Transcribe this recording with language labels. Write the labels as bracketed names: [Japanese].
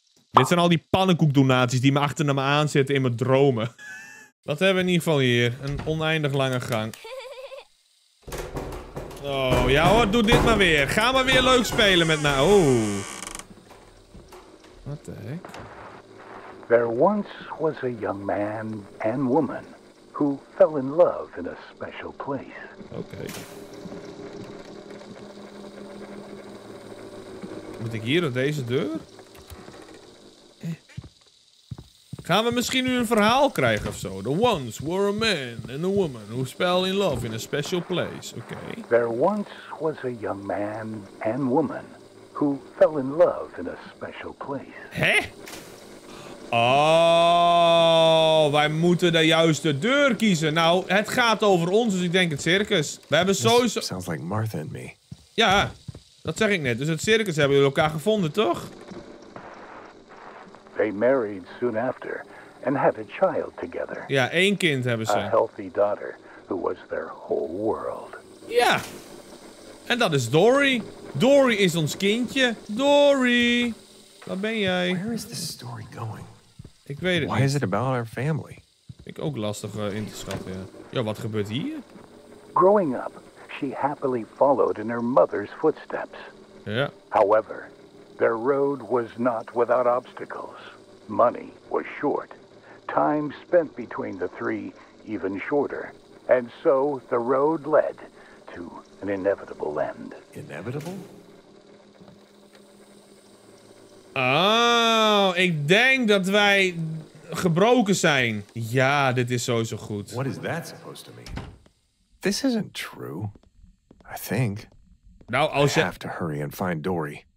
[Dutch] Dit zijn al die pannenkoekdonaties die me achterna me aanzetten in mijn dromen. Wat hebben we in ieder geval hier? Een oneindig lange gang. Oh, ja hoor, doe dit maar weer. Ga maar weer leuk spelen met nou. Oh. Wat de heck? [English] There once was a young man and woman who fell in love in a special place. [Dutch] Oké. Moet ik hier op deze deur? Gaan we misschien nu een verhaal krijgen of zo? [English] The once were a man and a woman who fell in love in a special place. [Dutch] Oké. [English] There once was a young man and woman who fell in love in a special place. [Dutch] Hè? Oh, wij moeten de juiste deur kiezen. Nou, het gaat over ons, dus ik denk het circus. We hebben sowieso... [English] Sounds like Martha and me. [Dutch] Ja, dat zeg ik net. Dus het circus hebben jullie elkaar gevonden, toch? [English] They married soon after and had a child together. [Dutch] Ja, één kind hebben ze. [English] A healthy daughter who was their whole world. [Dutch] Ja. En dat is Dory. Dory is ons kindje. Dory. Waar ben jij? [English] Where is this story going? [Dutch] Ik weet het [English] Why [Dutch] niet. [English] Why is it about our family? [Dutch] Ik ook lastig in te schatten, ja. Ja, wat gebeurt hier? [English] Growing up, she happily followed in her mother's footsteps. [Dutch] Ja. [English] However, their road was not without obstacles. Money was short. Time spent between the three even shorter. And so the road led to an inevitable end. Inevitable? [Dutch] Oh, ik denk dat wij gebroken zijn. Ja, dit is sowieso goed. [English] What is that supposed to mean? This isn't true. I think. [Dutch] Nou, als je... [English] I have to hurry and find Dory.